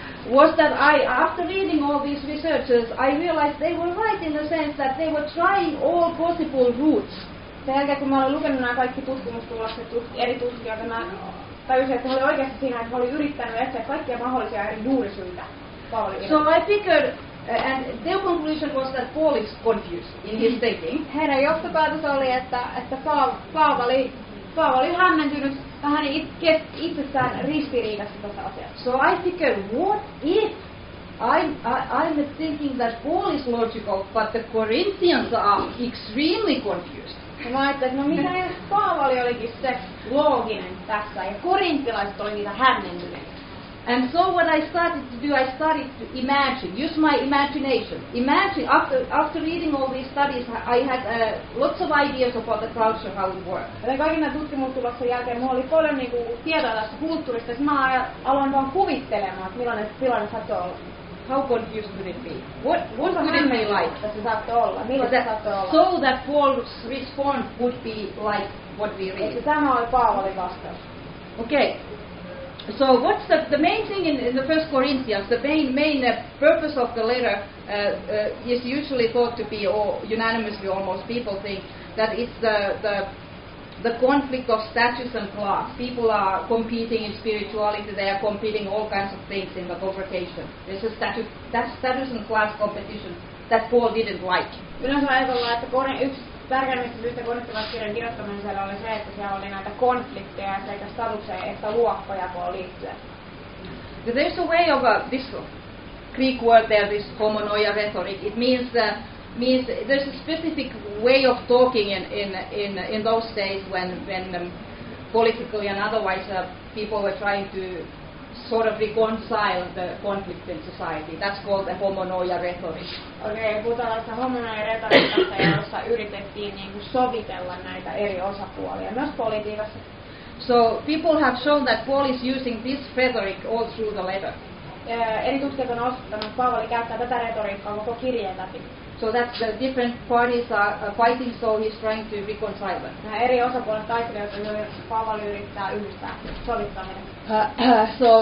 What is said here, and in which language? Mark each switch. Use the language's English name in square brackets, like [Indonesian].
[English] Was that I, after reading all these researchers, I realized they were right in the sense that they were trying all possible routes. [Finnish] Sen jälkeen, kun mä olin lukenut nämä kaikki tutkimustulokset eri tutkijoita, mä tajusin, että he olivat oikeasti siinä, että he olivat yrittäneet etsiä kaikkia mahdollisia eri juurisyitä. [English] So I figured... And their conclusion was that Paul is confused in his thinking. [Finnish] Heidän johtopäätös oli, että Paavali oli hämmentynyt vähän itsessään ristiriidassa tässä asiassa. [English] So I figured, what if I'm thinking that Paul is logical, but the Corinthians are extremely confused. [Finnish] Mä ajattelin, että no mitä jos Paavali olikin se looginen tässä ja korintilaiset oli niitä hämmentyneet. [English] And so what I started to do, I started to imagine, use my imagination. Imagine, after reading all these studies, I had lots of ideas about the culture, how it worked. [Finnish] Ja kaikina tutkimustuloksen jälkeen mulla oli paljon niinku tietoa tästä kulttuurista, että mä aloin vaan kuvittelemaan, että millainen tilanne saattoi olla. [English] how confused would it be? What would it be like? So that Paul's response would be like what we read. [Finnish] Se sama oli Paulin vastaus. [English] Okay. So what's the main thing in the First Corinthians, the main purpose of the letter is usually thought to be, or unanimously almost people think, that it's the conflict of status and class. People are competing in spirituality, they are competing all kinds of things in the congregation. It's a status and class competition that Paul didn't like. [Finnish] Yleensä ajatellaan, että yksi tärkeimmistä syystä konfliktivaskirjan kirjoittamisella oli se, että siellä oli näitä konflikteja sekä statukseen että luokkajakoon liittyen. [English] There's a way of this Greek word there, this homonoia rhetoric. It means means there's a specific way of talking in those days when politically and otherwise people were trying to sort of reconcile the conflict in society. That's called the homonoia rhetoric. [Finnish] Okay, puhutaan tästä homonoia rhetoriikasta, jossa yritettiin niinku sovitella näitä eri osapuolia myös politiikassa. [English] So people have shown that Paul is using this rhetoric all through the letter. [Finnish] Eri tutkijat on osoittanut, että Paul käyttää tätä retoriikkaa koko kirjeen läpi. [English] So that the different parties are fighting, so he's trying to reconcile them. [Finnish] Nämä eri osapuolet taistelevat, Paul yrittää yhdistää, sovittaa heidät.